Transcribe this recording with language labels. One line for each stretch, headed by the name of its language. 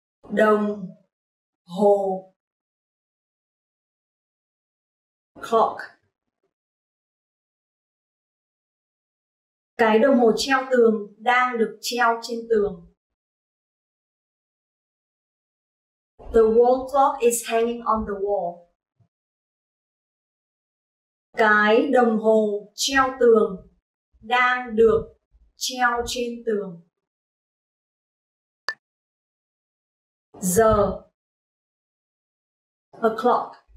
Vietnamese: Đồng hồ.
English: Clock.
Vietnamese: Cái đồng hồ treo tường đang được treo trên tường.
English: The wall clock is hanging on the wall.
Vietnamese: Cái đồng hồ treo tường đang được treo trên tường. Giờ.
English: A clock.